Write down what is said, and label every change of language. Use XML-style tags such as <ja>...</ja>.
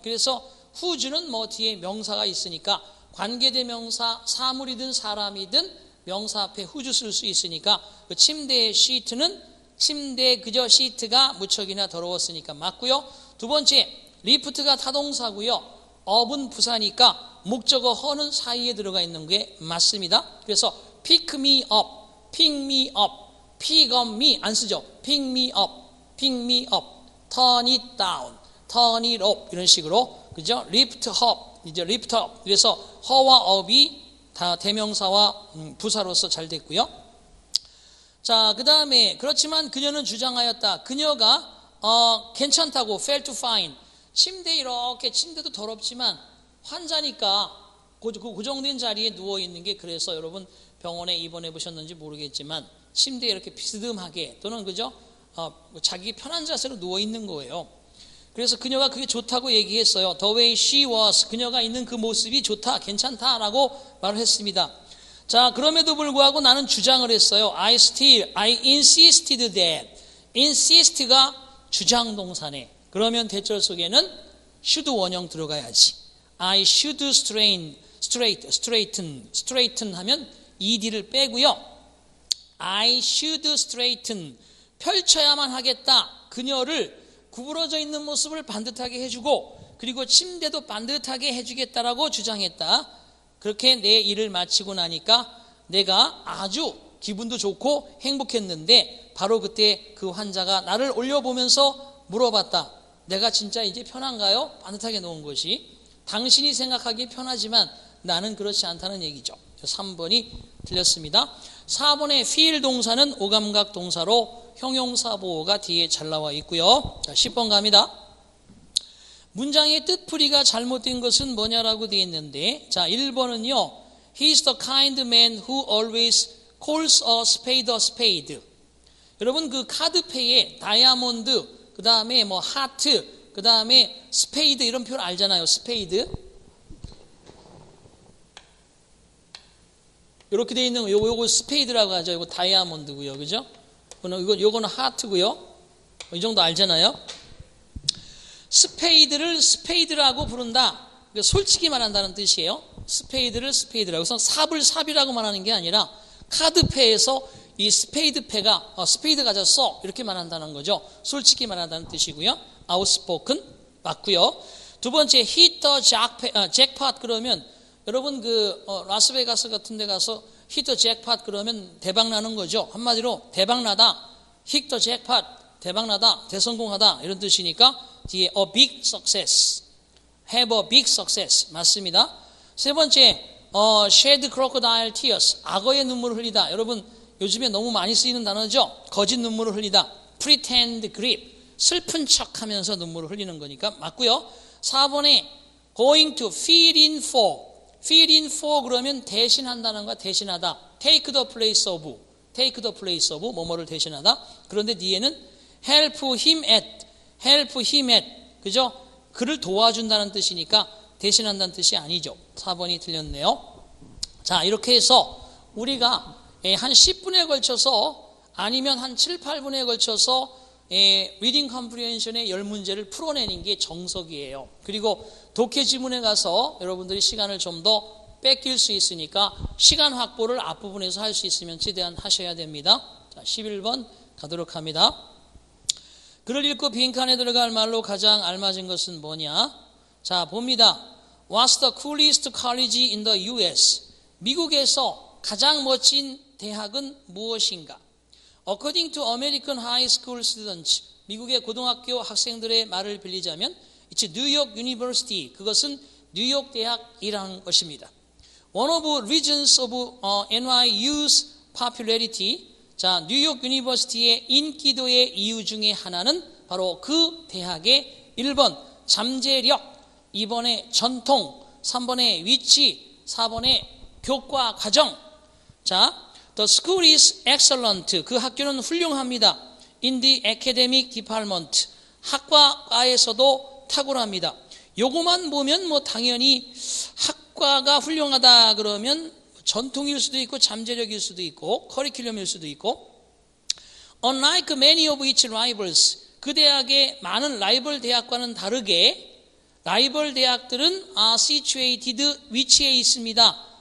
<ko>그래서 후즈는 뭐 뒤에 명사가 있으니까 관계대명사 사물이든 사람이든 명사 앞에 후즈 쓸 수 있으니까 그 침대의 시트는 침대 그저 시트가 무척이나 더러웠으니까 맞고요. 두 번째 리프트가 타동사고요. 업은 부사니까 목적어 허는 사이에 들어가 있는 게 맞습니다.</ko> <en>그래서 pick me up, pick me up, pick on me</en> <ko>안 쓰죠.</ko> <en>pick me up, pick me up, turn it down, turn it up</en> <ko>이런 식으로 그죠?</ko> <en>lift up, 이제 lift up.</en> <ko>그래서 허와 업이 다 대명사와 부사로서 잘 됐고요. 자, 그 다음에 그렇지만 그녀는 주장하였다. 그녀가 괜찮다고</ko> <en>felt fine.</en> <ko>침대 이렇게 침대도 더럽지만 환자니까 고정된 자리에 누워 있는 게 그래서 여러분 병원에 입원해 보셨는지 모르겠지만 침대 이렇게 비스듬하게 또는 그죠 자기 편한 자세로 누워 있는 거예요. 그래서 그녀가 그게 좋다고 얘기했어요.</ko> <en>The way she was</en> <ko>그녀가 있는 그 모습이 좋다 괜찮다라고 말을 했습니다. 자 그럼에도 불구하고 나는 주장을 했어요.</ko> <en>I insisted that insist가</en> <ko>주장 동사네. 그러면 대절 속에는 should 원형 들어가야지.</ko> <en>I should strain, straight, straighten, straighten</en> <ko>하면 ed를 빼고요.</ko> <en>I should straighten,</en> <ko>펼쳐야만 하겠다. 그녀를 구부러져 있는 모습을 반듯하게 해주고 그리고 침대도 반듯하게 해주겠다라고 주장했다. 그렇게 내 일을 마치고 나니까 내가 아주 기분도 좋고 행복했는데 바로 그때 그 환자가 나를 올려보면서 물어봤다. 내가 진짜 이제 편한가요? 반듯하게 놓은 것이. 당신이 생각하기 편하지만 나는 그렇지 않다는 얘기죠. 3번이 틀렸습니다. 4번의 feel 동사는 오감각 동사로 형용사 보호가 뒤에 잘 나와 있고요. 자, 10번 갑니다. 문장의 뜻풀이가 잘못된 것은 뭐냐라고 되어 있는데 자, 1번은요.</ko> <en>He's the kind man who always calls a spade a spade.</en> <ko>여러분 그 카드페이에 다이아몬드 그 다음에 뭐 하트 그 다음에 스페이드 이런 표현 알잖아요. 스페이드 이렇게 돼 있는 요거 스페이드라고 하죠. 이거 다이아몬드고요, 그죠? 요거는 하트고요. 이 정도 알잖아요. 스페이드를 스페이드라고 부른다. 그러니까 솔직히 말한다는 뜻이에요. 스페이드를 스페이드라고. 그래서 삽을 삽이라고 말하는 게 아니라 카드패에서 이 스페이드패가 스페이드가 졌어 이렇게 말한다는 거죠. 솔직히 말한다는 뜻이고요. Outspoken 맞고요. 두 번째</ko> <en>hit the jackpot</en> <ko>그러면 여러분 그 라스베가스 같은 데 가서 hit the jackpot 그러면 대박나는 거죠. 한마디로 대박나다 hit the jackpot 대박나다 대성공하다 이런 뜻이니까 뒤에</ko> <en>a big success have a big success</en> <ko>맞습니다. 세 번째</ko> <en>shed crocodile tears</en> <ko>악어의 눈물을 흘리다. 여러분 요즘에 너무 많이 쓰이는 단어죠. 거짓 눈물을 흘리다</ko> <en>pretend grief</en> <ko>슬픈 척 하면서 눈물을 흘리는 거니까 맞고요.</ko> <en>4번에 going to fill in for. fill in for</en> <ko>그러면 대신한다는 거 대신하다.</ko> <en>take the place of. take the place of</en> <ko>뭐뭐를 대신하다. 그런데 뒤에는</ko> <en>help him at. help him at. 그죠?</en> <ko>그를 도와준다는 뜻이니까 대신한다는 뜻이 아니죠. 4번이 틀렸네요. 자, 이렇게 해서 우리가 한 10분에 걸쳐서 아니면 한 7, 8분에 걸쳐서 리딩 컴프리헨션의 열 문제를 풀어내는 게 정석이에요. 그리고 독해 지문에 가서 여러분들이 시간을 좀 더 뺏길 수 있으니까 시간 확보를 앞부분에서 할 수 있으면 최대한 하셔야 됩니다. 자, 11번 가도록 합니다. 글을 읽고 빈칸에 들어갈 말로 가장 알맞은 것은 뭐냐? 자, 봅니다.</ko> <en>What's the coolest college in the US?</en> <ko>미국에서 가장 멋진 대학은 무엇인가?</ko> <en>According to American high school students,</en> <ko>미국의 고등학교 학생들의 말을 빌리자면</ko> <en>It's New York University,</en> <ko>그것은 뉴욕 대학이란 것입니다.</ko> <en>One of the reasons of NYU's popularity,</en> <ko>자, 뉴욕 유니버시티의 인기도의 이유 중에 하나는 바로 그 대학의 1번 잠재력, 2번의 전통, 3번의 위치, 4번의 교과 과정.</ko> <en>자, The school is excellent.</en> <ko>그 학교는 훌륭합니다.</ko> <en>In the academic department.</en> <ko>학과에서도 탁월합니다. 요것만 보면 뭐 당연히 학과가 훌륭하다 그러면 전통일 수도 있고 잠재력일 수도 있고 커리큘럼일 수도 있고</ko> <en>Unlike many of its rivals,</en> <ko>그 대학의 많은 라이벌 대학과는 다르게 라이벌 대학들은</ko> <en>are situated</en> <ko>위치에 있습니다.</ko>